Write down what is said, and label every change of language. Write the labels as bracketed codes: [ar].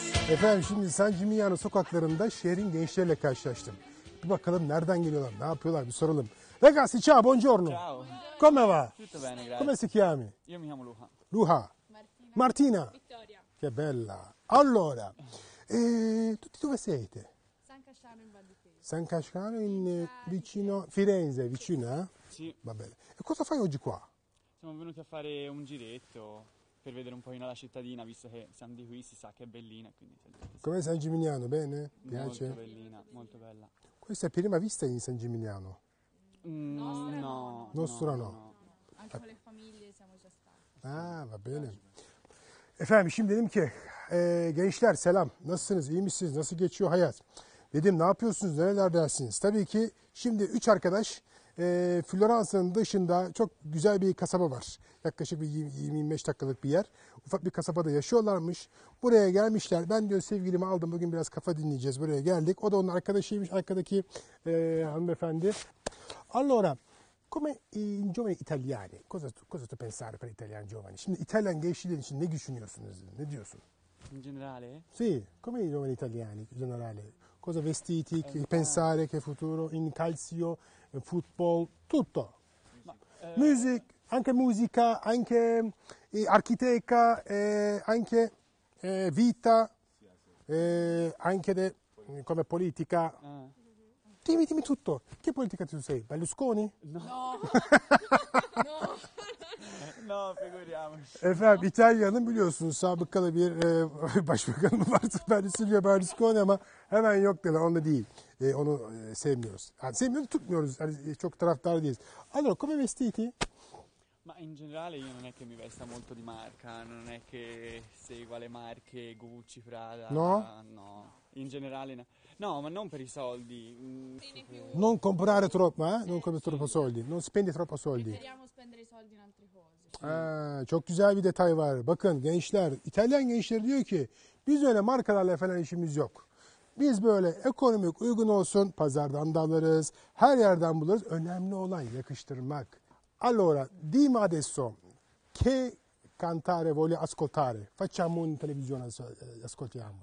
[tr] Efendim şimdi San Gimignano sokaklarında şehrin gençleriyle karşılaştım. Bir bakalım nereden geliyorlar, ne yapıyorlar bir soralım. [it] Ragazzi, ciao, buongiorno. Ciao. Come va? Tutto bene, grazie. Come si chiami? Io mi chiamo Luca. Luca. Martina. Martina. Vittoria. Che bella. Allora, tutti dove siete? San Casciano in Val di Fiemme. San Casciano in vicino Firenze, vicino, sì. Sì. Va bene. E cosa fai oggi qua? Siamo venuti a fare un giretto per vedere un pochino la cittadina, visto che siamo di qui, si sa che è bellina. Quindi... Com'è San Gimignano, bene? Piace? Molto bellina, molto bella. Questa è prima vista di San Gimignano? No. Nostra no. Anche con le famiglie siamo già stati. Ah, va bene. [tr] Efendim şimdi dedim ki gençler selam, nasılsınız, iyi misiniz, nasıl geçiyor hayat? Dedim ne yapıyorsunuz, nerelerdesiniz? Tabii ki şimdi 3 arkadaş Floransa'nın dışında çok güzel bir kasaba var. Yaklaşık bir 20-25 dakikalık bir yer. Ufak bir kasabada yaşıyorlarmış. Buraya gelmişler. Ben diyor sevgilimi aldım, bugün biraz kafa dinleyeceğiz, buraya geldik. O da onun arkadaşıymış, arkadaki hanımefendi. [it] Allora, come in giovane italiani, cosa tu pensare per italiani giovani? [tr] Şimdi İtalyan gençliği için ne düşünüyorsunuz? Ne diyorsun? [it] In generale? Sì, come i giovani italiani in generale? Cosa vestiti, pensare, che futuro, in calcio, in football, tutto. Music, anche musica, anche architetica, anche vita, anche come politica. Dimmi tutto. Che politica tu sei? Berlusconi? No. No, figuriamoci. [tr] Efendim İtalya'nın biliyorsunuz sabıkalı bir başbakanı vardı. Berlusconi ama hemen yok dedi. Onu değil. Onu sevmiyoruz. Yani sevmiyoruz, tutmuyoruz. Yani çok taraftar değiliz. [it] Allora, come vestiti? Ma in generale io non è che mi vesta molto di marca, non è che seguo le marche Gucci, Prada. No. No. In generale no. No, ma non per i soldi. Non comprare troppo, eh? Non comprare troppo soldi. Non spendi troppo soldi. Preferiamo spendere i soldi in altre cose. [tr] Çok güzel bir detay var. Bakın gençler, İtalyan gençleri diyor ki biz öyle markalarla falan işimiz yok. Biz böyle ekonomik uygun olsun, pazardan da alırız, her yerden buluruz. Önemli olan yakıştırmak. [it] Allora, dimmi adesso, che cantare voglio ascoltare? Facciamo in televisione, ascoltiamo.